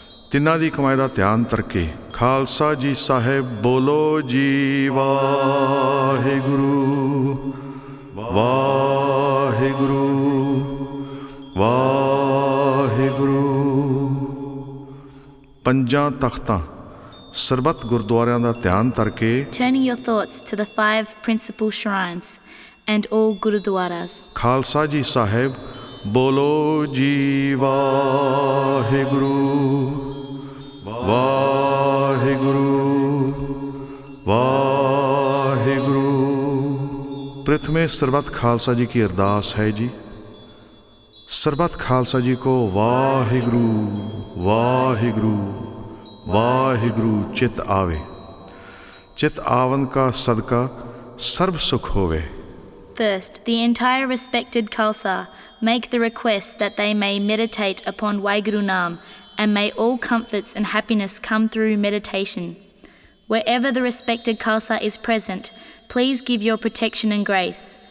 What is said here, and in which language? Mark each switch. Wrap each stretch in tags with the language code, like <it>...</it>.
<pa>ਤਿੰਨਾਂ ਦੀ ਕਮਾਈ ਦਾ ਧਿਆਨ ਤਰਕੇ ਖਾਲਸਾ ਜੀ ਸਾਹਿਬ ਬੋਲੋ ਜੀ ਵਾਹਿਗੁਰੂ ਵਾਹਿਗੁਰੂ ਵਾਹਿਗੁਰੂ ਪੰਜਾਂ ਤਖਤਾਂ ਸਰਬੱਤ ਗੁਰਦੁਆਰਿਆਂ ਦਾ ਧਿਆਨ ਤਰਕੇ</pa> <en>Turning your thoughts to the five principal shrines and all gurudwaras</en> <pa>Khalsa ਜੀ ਸਾਹਿਬ ਬੋਲੋ ਜੀ ਵਾਹਿਗੁਰੂ ਵਾਹਿਗੁਰੂ ਵਾਹਿਗੁਰੂ ਪ੍ਰਥਮੇ ਸਰਬੱਤ ਖਾਲਸਾ ਜੀ ਕੀ ਅਰਦਾਸ ਹੈ ਜੀ ਸਰਬੱਤ ਖਾਲਸਾ ਜੀ ਕੋ ਵਾਹਿਗੁਰੂ ਵਾਹਿਗੁਰੂ ਵਾਹਿਗੁਰੂ ਚਿੱਤ ਆਵੇ ਚਿੱਤ ਆਵਨ ਕਾ ਸਦਕਾ ਸਰਬ ਸੁਖ ਹੋਵੇ</pa> <en>First, the entire respected Khalsa make the request that they may meditate upon Waiguru Naam and may all comforts and happiness come through meditation. Wherever the respected Khalsa is present, please give your protection and grace.</en>